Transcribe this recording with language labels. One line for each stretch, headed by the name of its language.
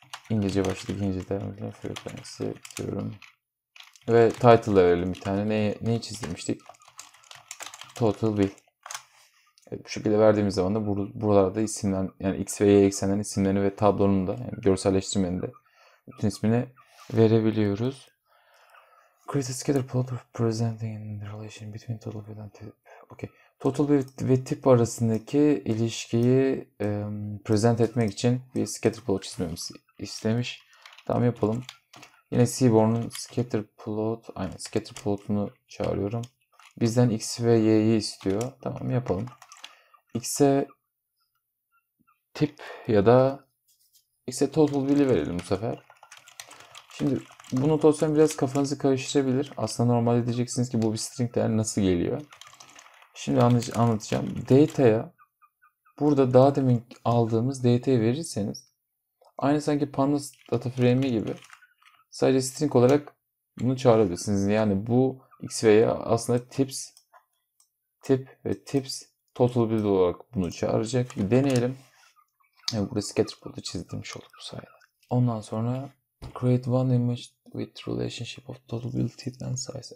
Turkish: İngilizce başlık, İngilizce terimler, frekansı diyorum. Ve title da verelim bir tane. Neyi çizdirmiştik? Total bill. Evet, bu şekilde verdiğimiz zaman da buralarda isimler, yani x ve y eksenlerin isimlerini ve tablonun da, yani görselleştirmenin de bütün ismini verebiliyoruz.
English: Create a scatter plot representing the relation between total bill and tip. Okay.
Turkish: Total bill ve tip arasındaki ilişkiyi present etmek için bir scatter plot çizmemiz istemiş. Tamam, yapalım. Yine Seaborn'un scatter plot, aynen scatter plot'unu çağırıyorum. Bizden x ve y'yi istiyor. Tamam, yapalım. X'e tip ya da x'e total bill'i verelim bu sefer. Şimdi bu notasyon biraz kafanızı karıştırabilir. Aslında normalde diyeceksiniz ki bu bir string değer nasıl geliyor? Şimdi anlatacağım. Data'ya burada daha demin aldığımız data'yı verirseniz aynı sanki pandas data frame'i gibi sadece string olarak bunu çağırabilirsiniz. Yani bu x ve y aslında tips tip ve tips total bill olarak bunu çağıracak. Bir deneyelim. Yani burada scatterplot'u çizdirmiş olduk bu sayede. Ondan sonra
English: create one image with relationship of total bill tip and size.